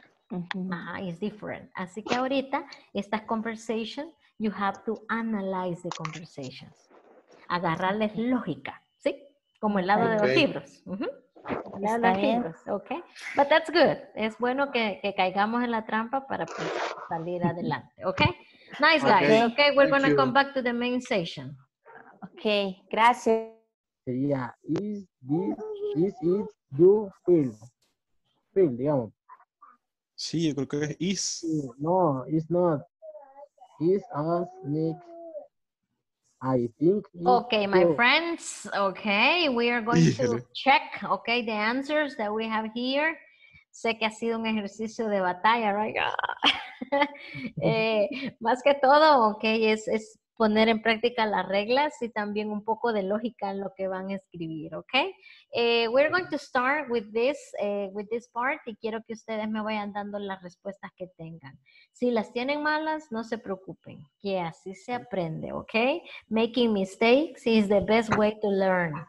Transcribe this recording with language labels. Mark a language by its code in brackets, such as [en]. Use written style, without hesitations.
[en] Ajá, it's different. [es] Así que ahorita, estas [en] conversations, you have to analyze the conversations. [es] Agarrarles lógica, ¿sí? Como el lado de los libros. El lado de los libros, ¿ok? [en] But that's good. [es] Es bueno que caigamos en la trampa para pues, salir adelante, ¿ok? [en] Nice, guys. Ok, okay. We're going to come back to the main session. [es] Ok, gracias. [en] Sería, is it you feel? Feel, digamos. [es] Sí, yo creo que es is. [en] No, it's not. Is us, Nick. I think. Okay, my friends. Okay, we are going to check. Okay, the answers that we have here. [es] Sé que ha sido un ejercicio de batalla, right? más que todo, okay, es poner en práctica las reglas y también un poco de lógica en lo que van a escribir, ¿ok? [en] We're going to start with this part [es] y quiero que ustedes me vayan dando las respuestas que tengan. Si las tienen malas, no se preocupen, que así se aprende, ¿ok? [en] Making mistakes is the best way to learn.